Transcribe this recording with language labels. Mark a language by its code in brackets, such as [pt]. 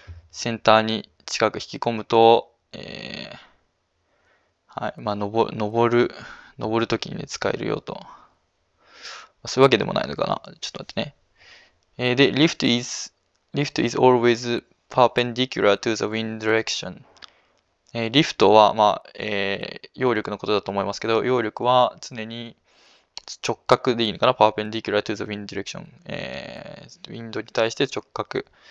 [ja] センターに近く引き込むと、はい。まあ、登るときに、ね、使えるよと。そういうわけでもないのかな。ちょっと待ってね。 [en] で、lift is always perpendicular to the wind direction. [ja] リフトは、まあ、揚力のことだと思いますけど、揚力は常に直角でいいのかな？ [en] Perpendicular to the wind direction。 [ja] ウィンドに対して直角。